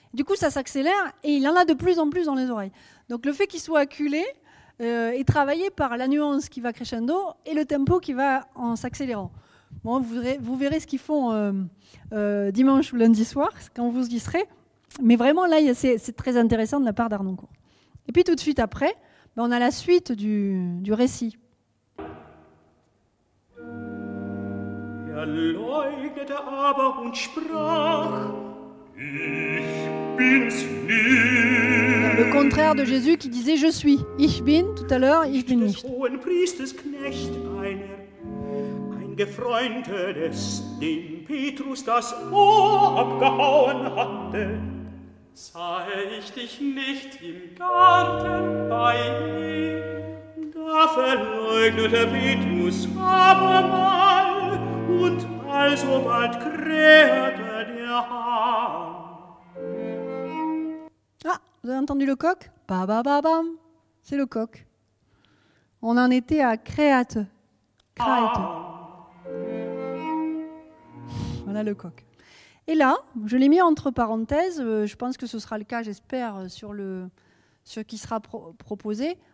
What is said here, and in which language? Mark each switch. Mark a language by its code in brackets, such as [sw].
[fr] Du coup, ça s'accélère et il en a de plus en plus dans les oreilles. Donc le fait qu'il soit acculé est travaillé par la nuance qui va crescendo et le tempo qui va en s'accélérant. Bon, vous verrez ce qu'ils font dimanche ou lundi soir, quand vous y serez. Mais vraiment, là, c'est très intéressant de la part d'Harnoncourt. Et puis tout de suite après, ben, on a la suite du récit. [de] Er leugnete aber und sprach, ich bin's nicht. [fr] Le contraire de Jésus qui disait je suis, [de] ich bin, [fr] tout à l'heure, [de] ich bin nicht. Des hohen Priesters Knecht einer, ein Gefreundter des, dem Petrus das Ohr abgehauen hatte, sah ich dich nicht im Garten bei ihm. Da verleugnete Petrus aber mal, und alsobald krähte der Hahn. [fr] Ah, vous avez entendu le coq? Ba ba ba bam, c'est le coq. On en était à créate. Créate. Ah. Voilà le coq. Et là, je l'ai mis entre parenthèses, je pense que ce sera le cas, j'espère, sur ce qui sera proposé.